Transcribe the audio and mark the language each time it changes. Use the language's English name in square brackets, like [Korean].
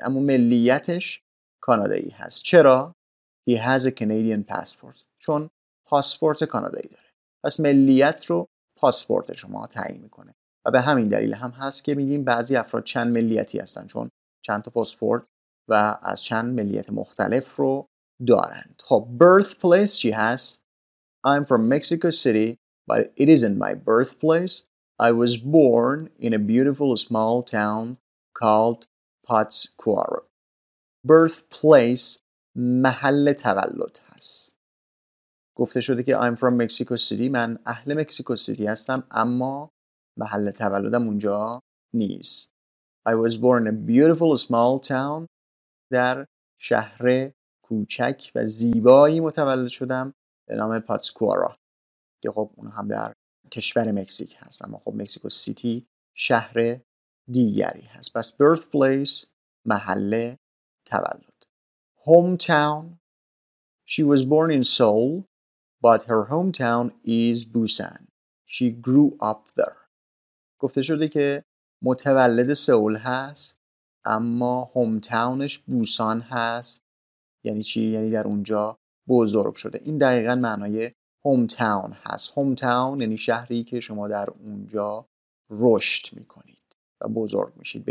[Persian] اما ملیتش کانادایی هست. چرا؟ [English] He has a Canadian passport. [Persian] چون پاسپورت کانادایی داره. پس ملیت رو پاسپورت شما تعیین میکنه. و به همین دلیل هم هست که میگیم بعضی افراد چند ملیتی هستن. چون چند تا پاسپورت و از چند ملیت مختلف رو دارند. خب birthplace چی هست؟ [English] I'm from Mexico City, but it isn't my birthplace. I was born in a beautiful small town called Pátzcuaro. [Persian] Birthplace محل تولد هست. گفته شده که [English] I'm from Mexico City. [Persian] من اهل مکزیکو سیتی هستم اما محل تولدم اونجا نیست. [English] I was born in a beautiful small town. [Persian] در شهر کوچک و زیبایی متولد شدم به نام پاتسکوارا که خب اون هم در کشور مکزیک هست اما خب مکزیکو سیتی شهر دیگری هست. پس birthplace محل تولد. Hometown. [English] She was born in Seoul but her hometown is Busan. She grew up there. [Persian] گفته شده که متولد سئول هست اما هومتاونش بوسان هست. یعنی چی؟ یعنی در اونجا بزرگ شده. این دقیقا معنای هومتاون هست. هومتاون یعنی شهری که شما در اونجا رشد میکنید و بزرگ میشید.